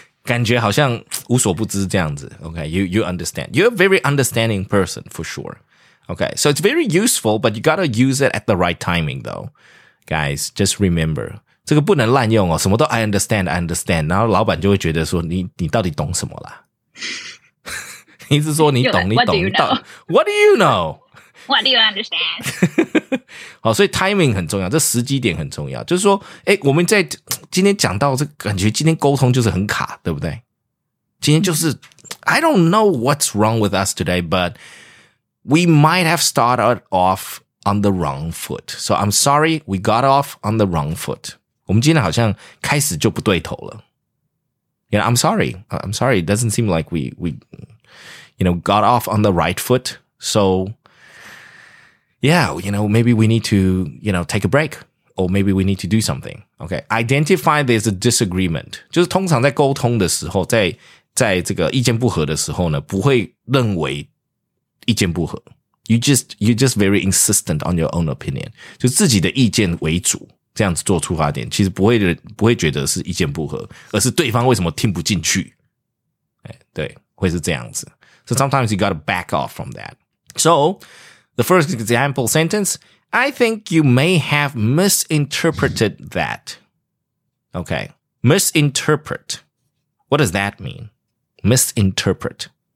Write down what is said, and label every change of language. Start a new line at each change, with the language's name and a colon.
Chinese: 感觉好像无所不知这样子。
English: Okay, you understand. You're a very understanding person for sure. Okay, so it's very useful, but you gotta use it at the right timing though. Guys, just remember.
Chinese: 这个不能滥用哦，什么都
English: I understand,
Chinese: 然后老板就会觉得说你到底懂什么啦？你是说你懂你懂
English: What do you know? What do you know? What do you understand?
Chinese: 好，所以 timing 很重要，这时机点很重要。就是说，哎，我们在今天讲到这，感觉今天沟通就是很卡，对不对？今天就是
English: I don't know what's wrong with us today, but we might have started off on the wrong foot. So I'm sorry, we got off on the wrong foot.
Chinese: 我们今天好像开始就不对头了。
English: You know, I'm sorry. It doesn't seem like we, you know, got off on the right foot. So, yeah, you know, maybe we need to, you know, take a break. Or maybe we need to do something. Okay. Identify there's a disagreement.
Chinese: 就是通常在沟通的时候，在这个意见不合的时候呢，不会认为意见不合。
English: You're just very insistent on your own opinion.
Chinese: 就自己的意见为主。这样子做出发点，其实不会觉得是意见不合，而是对方为什么听不进去？对，会是这样子。
English: So sometimes you gotta back off from that. So the first example sentence, I think you may have misinterpreted that. Okay, misinterpret. What does that mean? Misinterpret.